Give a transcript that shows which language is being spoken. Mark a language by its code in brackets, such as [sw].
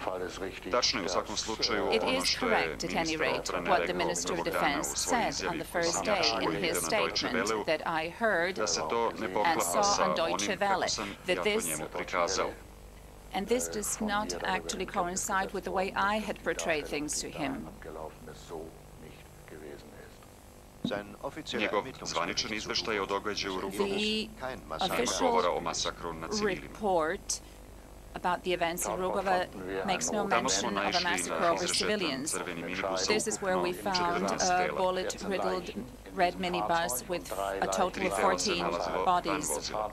[en] It is correct, at any rate, what the Minister of Defense said on the first day in his statement that I heard and saw on Deutsche Welle, that this and this does not actually coincide with the way I had portrayed things to him. [sr] Njegov zvaničan izveštaj o događaju u Rugovu ne govori o masakru na civilima. [en] About the events in Rugova makes no mention of a massacre over civilians. This is where we found a bullet-riddled red minibus with a total of 14 bodies.